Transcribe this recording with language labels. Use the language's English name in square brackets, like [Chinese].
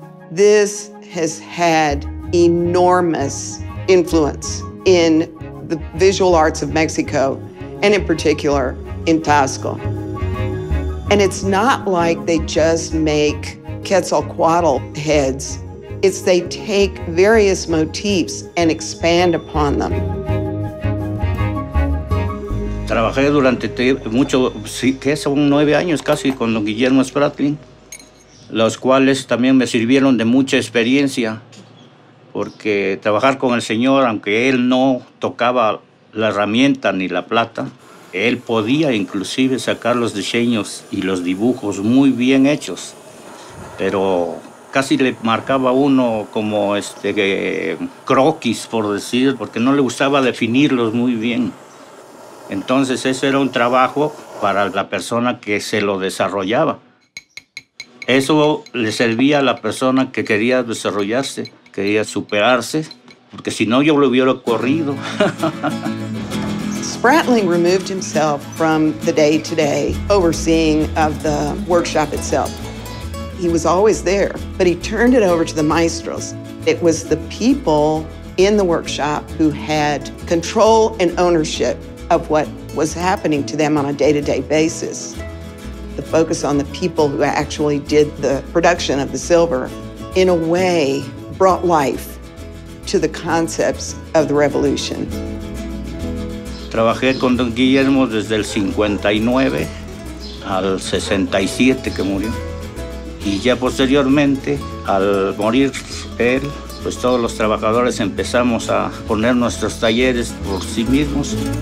[English] This has had enormous influence in the visual arts of Mexico, and in particular, in Tasco. And it's not like they just make Quetzalcoatl heads. It's they take various motifs and expand upon them. [Spanish] Trabajé durante mucho, que son 9 años casi, con don Guillermo Spratling, los cuales también me sirvieron de mucha experiencia, porque trabajar con el señor, aunque él no tocaba la herramienta ni la plata, él podía inclusive sacar los diseños y los dibujos muy bien hechos, pero casi le marcaba uno como croquis, por decir, porque no le gustaba definirlos muy bien. Entonces, eso era un trabajo para la persona que se lo desarrollaba. Eso le servía a la persona que quería desarrollarse, quería superarse, porque si no, yo lo hubiera corrido. [English] Spratling removed himself from the day-to-day overseeing of the workshop itself. He was always there, but he turned it over to the maestros. It was the people in the workshop who had control and ownership of what was happening to them on a day-to-day basis. The focus on the people who actually did the production of the silver, in a way, brought life to the concepts of the revolution. [Spanish] Trabajé con don Guillermo desde el 59 al 67 que murió. Y ya posteriormente, al morir él, pues todos los trabajadores empezamos a poner nuestros talleres por sí mismos.